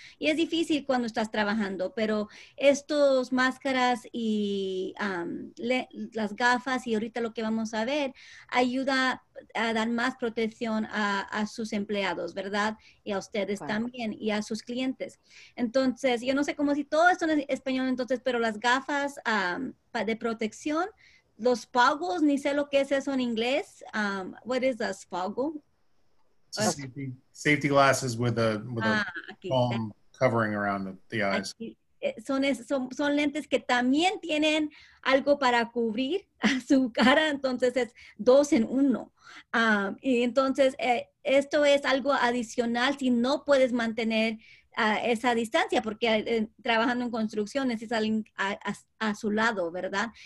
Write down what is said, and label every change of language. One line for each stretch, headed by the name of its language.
Spanish: Y es difícil cuando estás trabajando, pero estas máscaras y las gafas y ahorita lo que vamos a ver, ayuda a dar más protección a sus empleados, ¿verdad? Y a ustedes Claro. también y a sus clientes. Entonces, yo no sé cómo si todo esto es español entonces, pero las gafas de protección, los goggles, ni sé lo que es eso en inglés.
English: What is a goggle? Safety glasses with a foam covering around the eyes.
Spanish: Son lentes que también tienen algo para cubrir a su cara, entonces es 2 en 1. Y entonces esto es algo adicional si no puedes mantener esa distancia, porque trabajando en construcción necesitas alguien a su lado, ¿verdad?